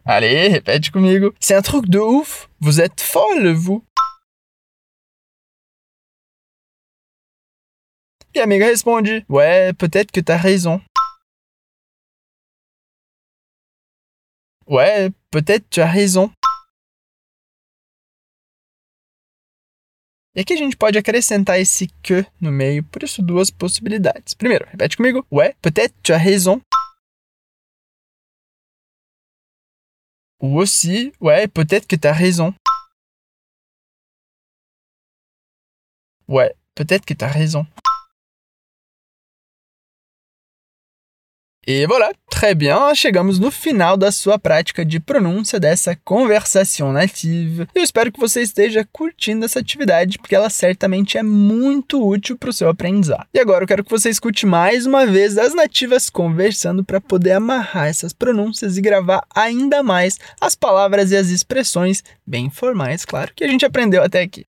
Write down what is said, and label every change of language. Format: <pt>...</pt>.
<fr>Allez,</fr> <pt>repete comigo.</pt> <fr>C'est un truc de ouf, vous êtes folle, vous.</fr> <pt>E a amiga responde:</pt> <fr>Ouais, peut-être que t'as raison. Ouais, peut-être que tu as raison.</fr> <pt>E aqui a gente pode acrescentar esse que no meio, por isso duas possibilidades. Primeiro, repete comigo.</pt> <fr>Ouais, peut-être tu as raison. Ou aussi, ouais, peut-être que tu as raison. Ouais, peut-être que tu as raison.</fr> <pt>E voilà,</pt> <fr>très bien,</fr> <pt>chegamos no final da sua prática de pronúncia dessa conversação nativa. Eu espero que você esteja curtindo essa atividade, porque ela certamente é muito útil para o seu aprendizado. E agora eu quero que você escute mais uma vez as nativas conversando para poder amarrar essas pronúncias e gravar ainda mais as palavras e as expressões bem formais, claro, que a gente aprendeu até aqui.</pt>